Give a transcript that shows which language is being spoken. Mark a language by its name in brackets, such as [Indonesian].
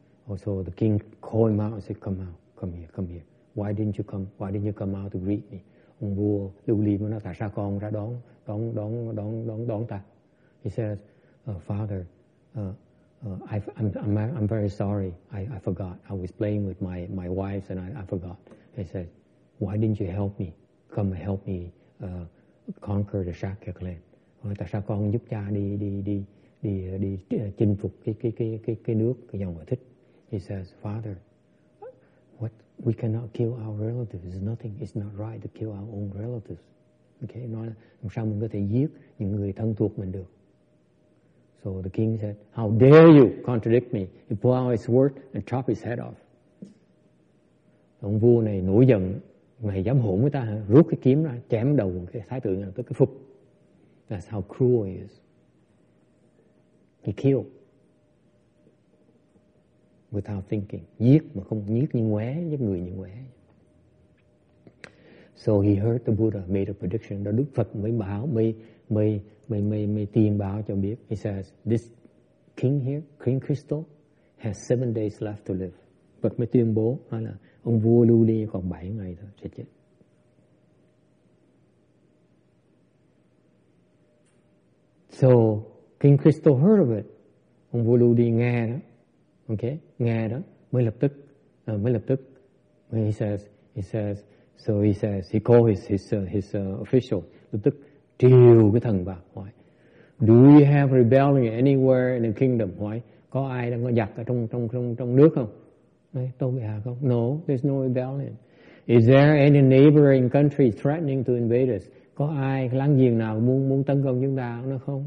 [English] Also the king called him out and said, come here, why didn't you come out to greet me? [Vietnamese] Ông vua lưu ly mới nói, tại sao con ra đón ta? [English] He says, father, I'm very sorry, I forgot, I was playing with my wives and I forgot. He said, why didn't you help me? Come help me conquer the Shakya clan. [Vietnamese] tại sao con giúp cha đi chinh phục cái nước cái dòng ngoại thích. [English] He says, Father, what we cannot kill our relatives is nothing. It's not right to kill our own relatives. [Vietnamese] Okay, nói làm sao mình có thể giết những người thân thuộc mình được? [English] So the king said, how dare you contradict me? He pulled out his sword and chopped his head off. [Vietnamese] Ông vua này nổi giận, mày dám hỗn với ta hả? Rút cái kiếm ra, chém đầu cái thái tử này, tức cái phục. [English] That's how cruel he is. He killed without thinking. [Vietnamese] Giết mà không giết như ngoé, giết người như ngoé. [English] So he heard the Buddha made a prediction. [Vietnamese] Đó Đức Phật mới báo, mới tiên báo cho biết. [English] He says, this king here, King Crystal, has 7 days left to live. [Vietnamese] Phật mới tuyên bố, nói là ông vua lưu ly còn 7 ngày thôi, sẽ chết. [English] So, King Crystal heard of it. [Vietnamese] Ông vua lưu ly nghe đó. Okay, nghe đó. Mới lập tức. [English] He says, he called his official. [Vietnamese] Lập tức, triều cái thần vào. [English] Why? Do you have rebellion anywhere in the kingdom? Why? [Vietnamese] Có ai đang có giặc ở trong nước không? [English] No, there's no rebellion. Is there any neighboring country threatening to invade us? [Vietnamese] Có ai láng giềng nào muốn tấn công chúng ta nó không?